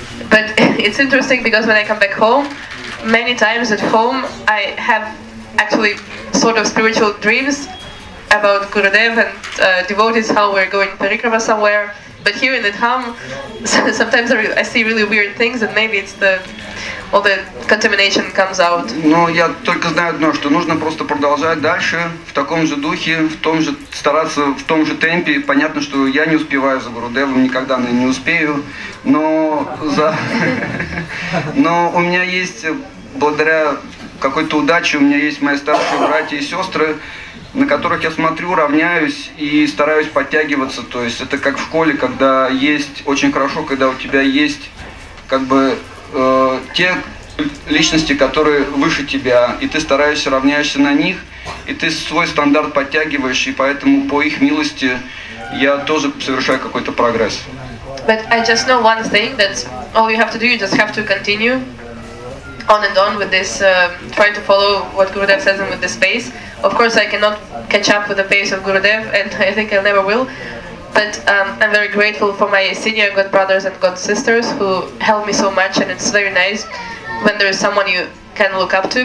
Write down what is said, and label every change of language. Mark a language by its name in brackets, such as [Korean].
[English] But it's interesting because when I come back home, many times at home I have actually sort of spiritual dreams about Gurudev and devotees, how we're going parikrama somewhere. But here in the Dham sometimes I see really weird things and maybe it's the... All the contamination comes out. [Russian] Ну, я только знаю одно, что нужно просто продолжать дальше в таком же духе, в том же стараться в том же темпе. Понятно, что я не успеваю за Гурудевом, никогда не успею, но за. Но у меня есть, благодаря какой-то удаче, у меня есть мои старшие братья и сестры, на которых я смотрю, равняюсь и стараюсь подтягиваться. То есть это как в школе, когда есть очень хорошо, когда у тебя есть как бы те личности, которые выше тебя, и ты стараешься, равняешься на них, и ты свой стандарт подтягиваешь, и поэтому по их милости я тоже совершаю какой-то прогресс. [English] But I just know one thing, that all you have to do, you just have to continue on and on with this, trying to follow what Gurudev says and with this pace. Of course, I cannot catch up with the pace of Gurudev, and I think I never will. But I'm very grateful for my senior god brothers and god sisters who help me so much, and it's very nice when there is someone you can look up to.